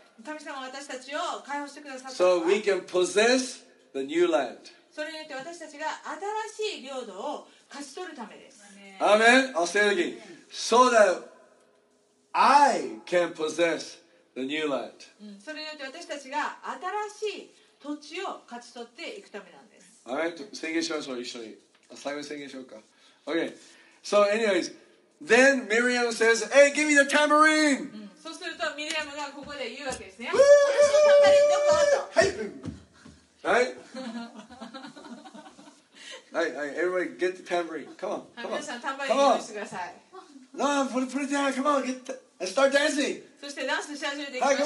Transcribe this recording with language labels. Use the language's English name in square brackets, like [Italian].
[Japanese] 神様は私たちを解放してくださった。 [English] So we can possess the new land. [Japanese] それによって私たちが新しい領土を勝ち取るためです。 [English] Amen. I'll say it again. So that I can possess the new land. [Japanese] それによって私たちが新しい土地を勝ち取っていくためなんです。 [English] All right. [Japanese] 宣言しましょう、一緒に。最後に宣言しようか。Okay. [English] So anyways, then Miriam says, "Hey, give me the tambourine!" [Japanese] そうするとミレアムがここで言うわけですね。はい。はい。はい。はい。はい。 [English] Everybody get the tambourine. Come on. Come on. [Japanese] 皆さんタンバリン用意してください。 [English] No, I'm putting it down. Come on. Get and start dancing. [Japanese] そしてダンスし始めていきましょう。